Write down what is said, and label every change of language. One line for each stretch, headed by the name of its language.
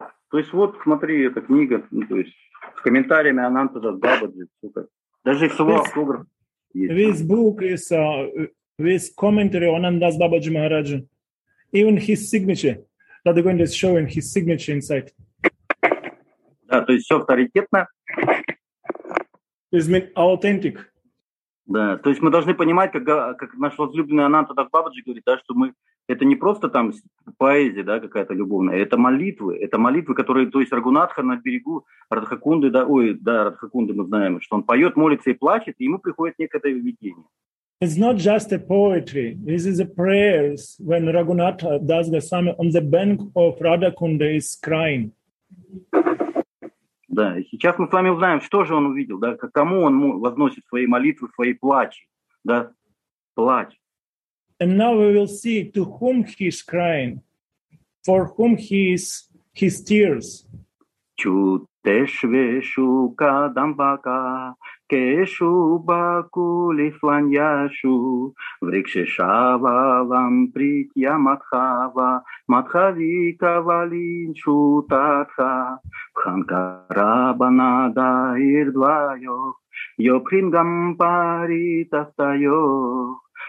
Russian: То есть вот смотри, эта книга, ну, то есть с комментариями Ананта Бабаджи, сука. Даже его автограф есть.
English: This book is with commentary on Ananda Babaji Maharaj. Even his signature. Radha Govinda is showing his signature inside.
Russian: Да, то есть все авторитетно.
English: It's been authentic.
Russian: Да, то есть мы должны понимать, как наш возлюбленный Ананта Бабаджи говорит, да, что мы это не просто там поэзия, да, какая-то любовная, это молитвы, которые, то есть Рагунатха на берегу Радхакунды, да, ой, да, Радхакунды мы знаем, что он поет, молится и плачет, и ему приходит некое видение.
English: It's not just a poetry. This is a prayers when Raghunatha Das Goswami on the bank of Radhakunda is crying.
Russian: Да, сейчас мы с вами узнаем, что же он увидел, да, к кому он возносит свои молитвы, свои плачи, да, плач.
English: And now we will see to whom he is crying, for whom he is his tears.
Sanskrit: Чутешвешу кадамбака Кешу бакули фланьяшу, врикши шавалам притья матхава, матхавика валинчу татха, пханкарабана даир двайох, йопхингам паритастайох,